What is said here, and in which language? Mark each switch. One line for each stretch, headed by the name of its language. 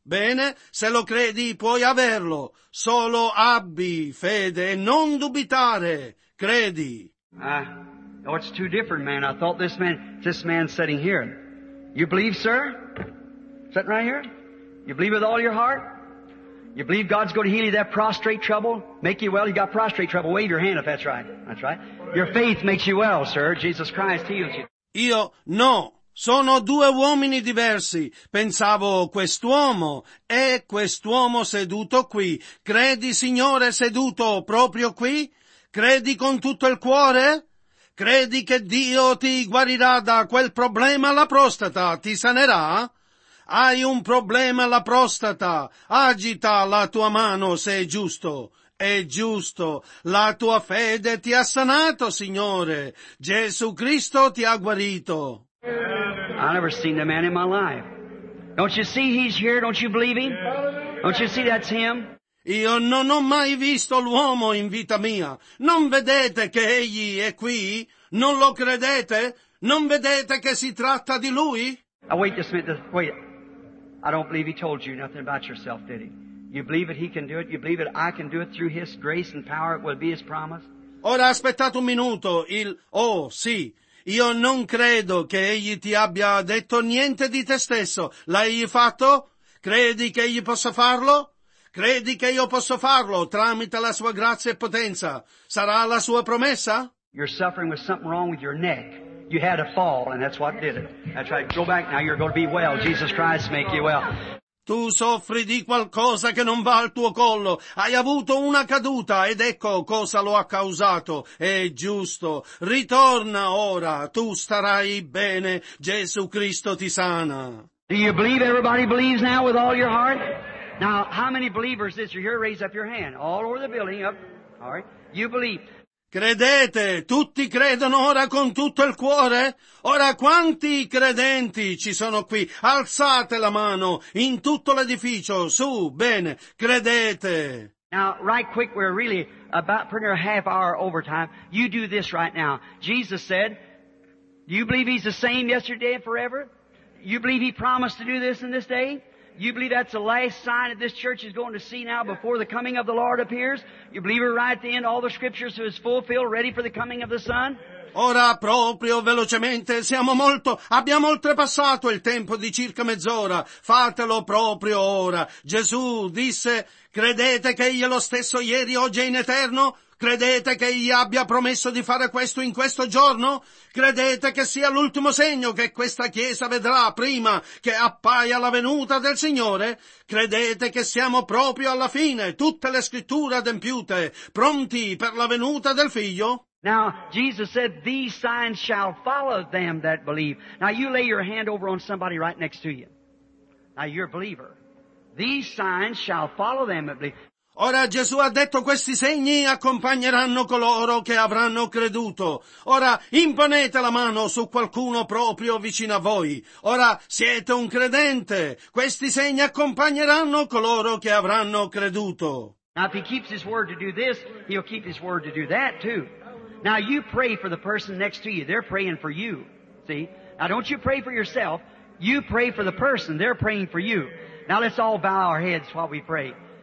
Italian: Bene, se lo credi puoi averlo. Solo abbi fede e non dubitare. Credi.
English: Oh, it's two different men. I thought this man sitting here. You believe, sir? Sitting right here? You believe with all your heart? You believe God's going to heal you that prostrate trouble? Make you well? You got prostrate trouble? Wave your hand if that's right. That's right. Your faith makes you well, sir. Jesus Christ heals you.
Italian: Io, no. Sono due uomini diversi. Pensavo, quest'uomo è quest'uomo seduto qui. Credi, Signore, seduto proprio qui? Credi con tutto il cuore? Credi che Dio ti guarirà da quel problema alla prostata? Ti sanerà? Hai un problema alla prostata. Agita la tua mano se è giusto. È giusto. La tua fede ti ha sanato, Signore. Gesù Cristo ti ha guarito.
English: I've never seen a man in my life. Don't you see he's here? Don't you believe him? Don't you see that's him?
Italian: Io non ho mai visto l'uomo in vita mia. Non vedete che egli è qui? Non lo credete? Non vedete che si tratta di lui?
English: Now wait just a minute. Wait. I don't believe he told you nothing about yourself, did he? You believe it he can do it? You believe it I can do it through his grace and power? It will be his promise?
Italian: Ora aspettate un minuto. Sì. Io non credo che egli ti abbia detto niente di te stesso. L'hai fatto? Credi che egli possa farlo? Credi che io posso farlo tramite la sua grazia e potenza? Sarà la sua promessa?
English: You're suffering with something wrong with your neck. You had a fall and that's what did it. That's right. Go back now. You're going to be well. Jesus Christ make you well.
Italian: Tu soffri di qualcosa che non va al tuo collo. Hai avuto una caduta ed ecco cosa lo ha causato. È giusto. Ritorna ora. Tu starai bene. Gesù Cristo ti sana.
English: Do you believe everybody believes now with all your heart? Now, how many believers is here? Raise up your hand. All over the building. Up. All right. You believe.
Italian: Credete? Tutti credono ora con tutto il cuore? Ora quanti credenti ci sono qui? Alzate la mano in tutto l'edificio. Su, bene, credete.
English: Now, right quick, we're really about putting a half hour overtime. You do this right now. Jesus said, do you believe he's the same yesterday and forever? You believe he promised to do this in this day? You believe that's the last sign that this church is going to see now before the coming of the Lord appears? You believe it right at the end, all the scriptures is fulfilled, ready for the coming of the Son?
Italian: Ora proprio velocemente, abbiamo oltrepassato il tempo di circa mezz'ora. Fatelo proprio ora. Gesù disse, credete che egli è lo stesso ieri, oggi e in eterno? Credete che egli abbia promesso di fare questo in questo giorno? Credete che sia l'ultimo segno che questa Chiesa vedrà prima che appaia la venuta del Signore? Credete che siamo proprio alla fine, tutte le scritture adempiute, pronti per la venuta del Figlio?
English: Now, Jesus said, these signs shall follow them that believe. Now, you lay your hand over on somebody right next to you. Now, you're a believer. These signs shall follow them that believe.
Italian: Ora Gesù ha detto questi segni accompagneranno coloro che avranno creduto. Ora imponete la mano su qualcuno proprio vicino a voi. Ora siete un credente. Questi segni accompagneranno coloro che avranno creduto.
English: Now if he keeps his word to do this, he'll keep his word to do that too. Now you pray for the person next to you. They're praying for you. See? Now don't you pray for yourself. You pray for the person. They're praying for you. Now let's all bow our heads while we pray.